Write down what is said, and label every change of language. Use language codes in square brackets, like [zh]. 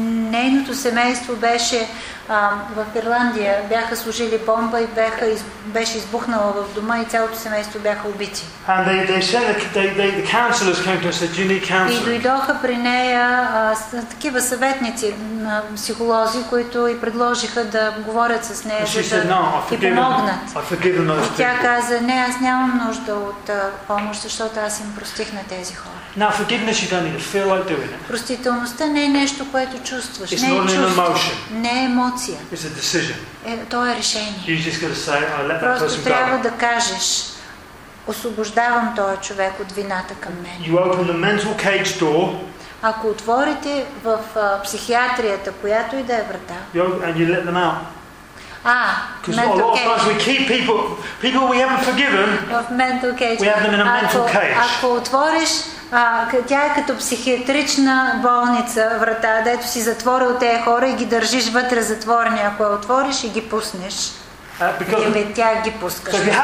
[bg] Нейното семейство беше в Ирландия. Бяха сложили бомба и беше избухнала в дома и цялото семейство бяха убити. [en] And the counselors came to us, said, "You need counseling." [bg] И дойдоха при нея такива съветници, психолози, които и предложиха да говорят с нея, за да ти помогнат. И тя каза: "Не, аз нямам нужда от помощ, защото аз им простих на тези хора." [en] Now forgiveness you don't need to feel like doing it. [bg] Простителността не е нещо, което чувстваш. [en] It's not an emotion. [bg] Не е емоция. [en] It's a decision. [bg] То е решение. [en] You just got to say, I let that person go. [bg] Просто трябва да кажеш: освобождавам този човек от вината към мен. [en] You open the mental cage door. [bg] Ако отворите в психиатрията, която и да е врата. [en] And you let them out. Because a lot of times we keep people we haven't forgiven. В mental cage. We have them in a mental cage. [bg] Ако отвориш, тя е като психиатрична болница, врата, дето си затворил тези хора и ги държиш вътре затворни. Ако я отвориш и ги пуснеш, тя ги пускаш.